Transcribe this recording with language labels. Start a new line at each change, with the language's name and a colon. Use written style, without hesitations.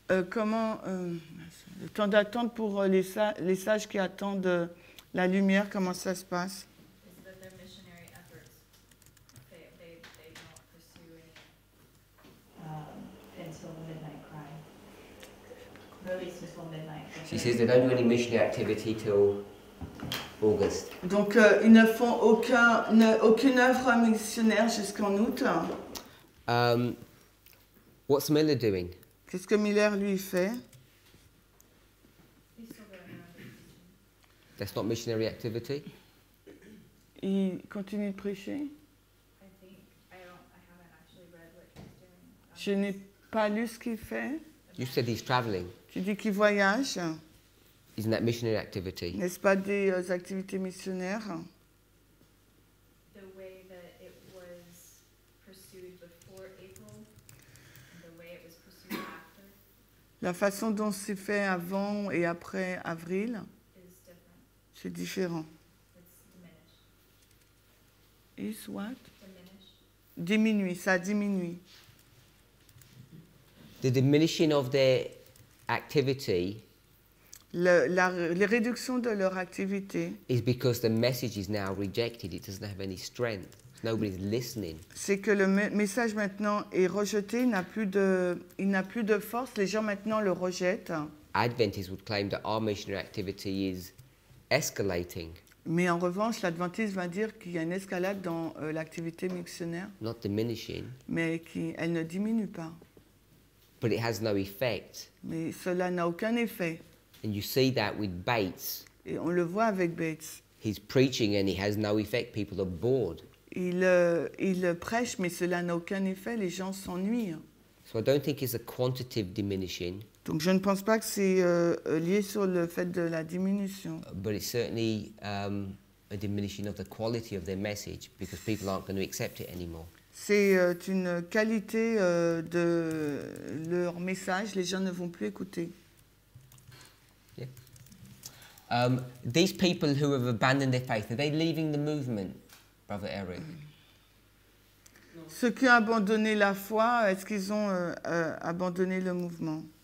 French: Comment le temps d'attente pour les sages qui attendent La lumière, comment ça se passe?
English: Is that their missionary efforts, they don't pursue any until the midnight cry. Release until midnight. She says they don't do any missionary activity till August.
French: Donc ils ne font aucune œuvre missionnaire jusqu'en août.
English: What's Miller doing?
French: Qu'est-ce que Miller lui fait?
English: That's not missionary activity.
French: Il continue de prêcher. Je n'ai pas lu ce qu'il fait.
English: You said he's traveling.
French: Tu dis qu'il voyage.
English: Isn't that missionary activity?
French: N'est-ce pas des activités missionnaires?
English: The way that it was pursued before April, the way it was pursued after.
French: La façon dont c'est fait avant et après avril. C'est différent.
English: Is what?
French: Diminuer, ça diminue.
English: The diminishing of their activity.
French: Les réductions de leur activité.
English: Is because the message is now rejected. It doesn't have any strength. Nobody's listening.
French: C'est que le message maintenant est rejeté. Il n'a plus de force. Les gens maintenant le rejettent.
English: Adventists would claim that our missionary activity is escalating.
French: Mais en revanche, l'adventiste va dire qu'il y a une escalade dans l'activité missionnaire.
English: Not diminishing.
French: Mais qu'elle ne diminue pas.
English: But it has no effect.
French: Mais cela n'a aucun effet.
English: And you see that with Bates.
French: Et on le voit avec Bates.
English: He's preaching and he has no effect. People are bored.
French: Il prêche, mais cela n'a aucun effet. Les gens s'ennuient.
English: So I don't think it's a quantitative diminishing.
French: Donc je ne pense pas que c'est lié sur le fait de la diminution.
English: But it's certainly a diminishing of the quality of their message because people aren't going to accept it anymore.
French: C'est une qualité de leur message, les gens ne vont plus écouter.
English: Yeah. These people who have abandoned their faith, are they leaving the movement, Brother Eric?
French: Ceux qui ont abandonné la foi, est-ce qu'ils ont abandonné le mouvement?